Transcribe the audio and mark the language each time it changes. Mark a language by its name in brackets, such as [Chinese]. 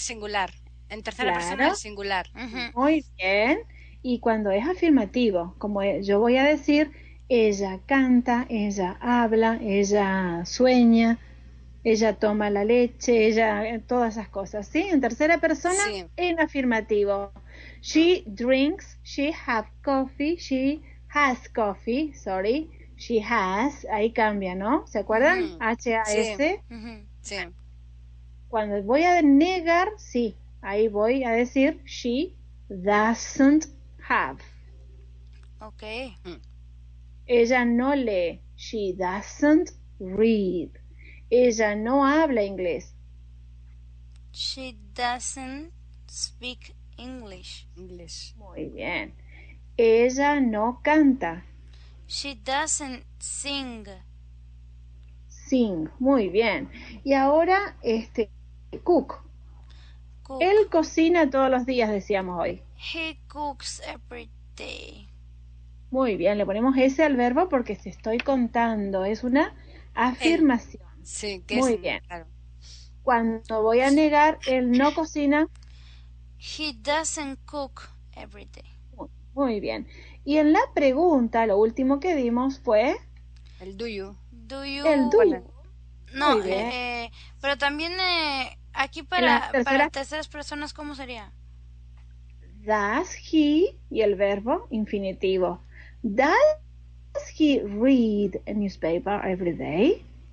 [Spanish] singular. En tercera persona del singular. muy bien. Y cuando es afirmativo, como yo voy a decir, ella canta, ella habla, ella sueña, ella toma la leche, ella, todas esas cosas, ¿sí? En tercera persona, Sí. en afirmativo. [English] She drinks, she have coffee, she has coffee, sorry, she has, [Spanish] ahí cambia, ¿no? ¿Se acuerdan? Sí. H-A-S. Sí. Cuando voy a negar, sí, ahí voy a decir [English] she doesn't have. Okay. [Spanish] Ella no lee, [English] she doesn't read. [Spanish] Ella no habla inglés. [English] She doesn't speak English. English. [Spanish] Muy bien. Ella no canta. [English] She doesn't sing. [Spanish] Sing. Muy bien. Y ahora, cook. [English] Cook. [Spanish] Él cocina todos los días, decíamos hoy. [English] He cooks every day. [Spanish] Muy bien. Le ponemos ese al verbo porque se estoy contando. Es una Él. afirmación. Sí, que es Muy bien. claro. Cuando voy a negar, él no cocina. [English] Doesn't cook every day. [Spanish] Muy bien. Y en la pregunta, lo último que vimos fue [English] El do you. Do [Spanish] el [English] you. do. [Spanish] No, Muy bien. pero también aquí En las para terceras, terceras personas, ¿cómo sería? [English] does he [Spanish] y el verbo infinitivo. [English] Does he read a newspaper every day?